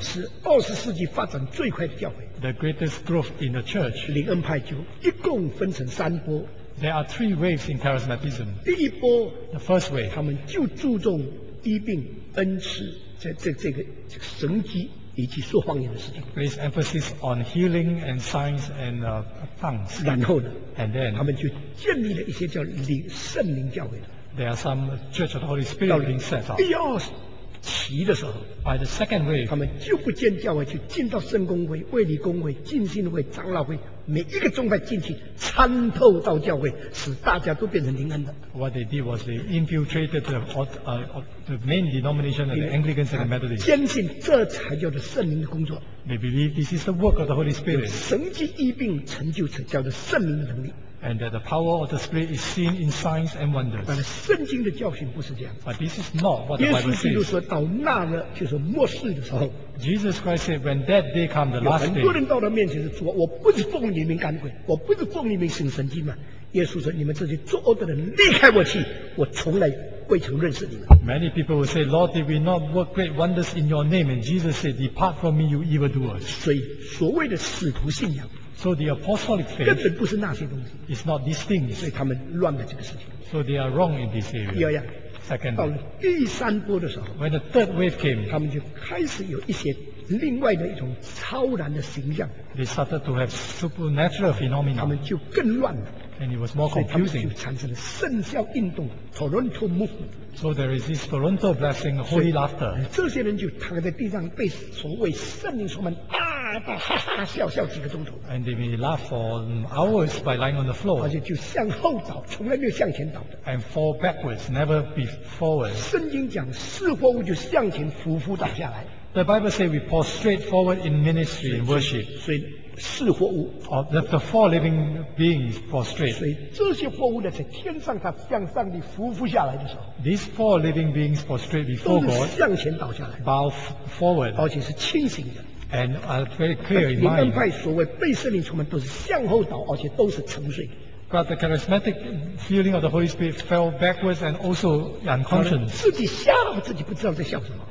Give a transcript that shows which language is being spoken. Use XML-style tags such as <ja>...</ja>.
<zh>是二十世纪发展最快的教会。</zh> <en>The greatest growth in the church.</en> <zh>灵恩派就一共分成三波。</zh> <en>There are three waves in charismatism.</en> <zh>第一波</zh> <en>，the first wave,</en> <zh>他们就注重医病。恩赐在这个神迹以及说方言的事情。</zh> <en>Place emphasis on healing and signs and tongues.</en> <zh>然后呢</zh> <en>？And then</en> <zh>他们就建立了一些叫灵圣灵教会的。</zh> <en>There are some Church of the Holy Spirit being set up.</en> <zh>第二期的时候</zh> <en>，By the second wave，</en> <zh>他们就不建教会，就进到圣公会、卫理公会、浸信会、长老会。每一个宗派进去参透到教会，使大家都变成灵恩的。</zh> <en>What they did was they infiltrated the main denomination of the Anglican and the Methodist.</en> <zh>坚信这才叫做圣灵的工作。</zh> <en>They believe this is the work of the Holy Spirit.</en> <zh>神迹医病成就才叫做圣灵的能力。</zh> <en>And that the power of the Spirit is seen in signs and wonders.</en> <zh>但是圣经的教训不是这样。</zh> <en>But this is not what the Bible says.</en> <zh>耶稣基督说到那日就是末世的时候。</zh> <en>Jesus Christ said, "When that day comes, the last day."</en> <zh>有很多人到他面前说：“主啊，我不是奉你名赶鬼，我不是奉你名行神迹吗？” 耶稣说：“你们这些作恶的人，离开我去！我从来未曾认识你们。”</zh> <en>Many people will say, "Lord, did we not work great wonders in your name?" And Jesus said, "Depart from me, you evildoers."</en> <zh>所以所谓的使徒信仰。</zh> <en>So the apostolic faith</en> <zh>根本不是那些东西。</zh> <en>It's not these things.</en> <zh>所以他们乱了这个事情。</zh> <en>So they are wrong in this area.</en> <zh>第二样。</zh> <en>Second.</en> <zh>到了第三波的时候。</zh> <en>When the third wave came,</en> <zh>他们就开始有一些另外的一种超然的形象。</zh> <en>They started to have supernatural phenomena.</en> <zh>他们就更乱了。</zh> <en>And it was more confusing.</en> <zh>所以他们就产生了圣笑运动 ，Toronto Movement.</zh> <en>So there is this Toronto blessing, holy laughter.</en> <zh>这些人就躺在地上，被所谓圣灵充满，大大哈哈笑笑几个钟头。</zh> <en>And they may laugh for hours by lying on the floor.</en> <zh>而且就向后倒，从来没有向前倒的。</zh> <en>And fall backwards, never be forward.</en> <zh>圣经讲，似乎我就向前匍匐倒下来。</zh> <en>The Bible says we fall straight forward in ministry and worship.</en> <zh>所以四活物</zh> <en>of the four living beings prostrate.</en> <zh>所以这些活物呢，在天上它向上帝匍匐下来的时候</zh> <en>，these four living beings prostrate before God，</en> <zh>都是向前倒下来</zh> <en>，bow forward，</en> <zh>而且是清醒的</zh> <en>，and are very clear in mind。</en> <zh>灵恩派所谓被圣灵充满，都是向后倒，而且都是沉睡。</zh> <en>But the charismatic feeling of the Holy Spirit fell backwards and also unconscious.</en> <zh>自己笑，自己不知道在笑什么。</zh>